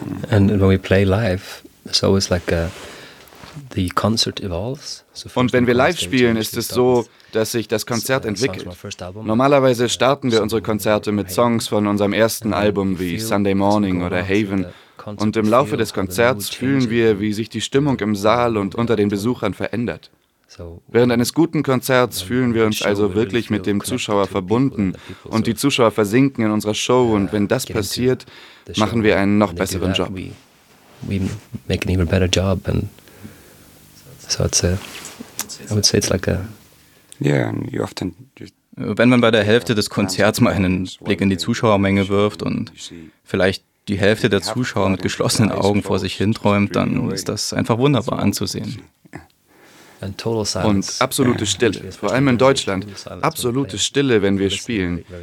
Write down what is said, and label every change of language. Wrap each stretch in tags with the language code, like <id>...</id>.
<en>And when we play live, it's always like a the concert evolves.</en> <de>Und wenn wir live spielen, ist es so, dass sich das Konzert entwickelt. Normalerweise starten wir unsere Konzerte mit Songs von unserem ersten Album wie Sunday Morning oder Haven. Und im Laufe des Konzerts fühlen wir, wie sich die Stimmung im Saal und unter den Besuchern verändert. Während eines guten Konzerts fühlen wir uns also wirklich mit dem Zuschauer verbunden und die Zuschauer versinken in unserer Show. Und wenn das passiert, machen wir einen noch besseren Job.</de> <en>So it's a, I would say it's like a yeah, and you often</en> <de>just wenn man bei der Hälfte des Konzerts mal einen Blick in die Zuschauermenge wirft und vielleicht die Hälfte der Zuschauer mit geschlossenen Augen vor sich hinträumt, dann ist das einfach wunderbar anzusehen. Und absolute Stille, vor allem in Deutschland, absolute Stille, wenn wir spielen.</de>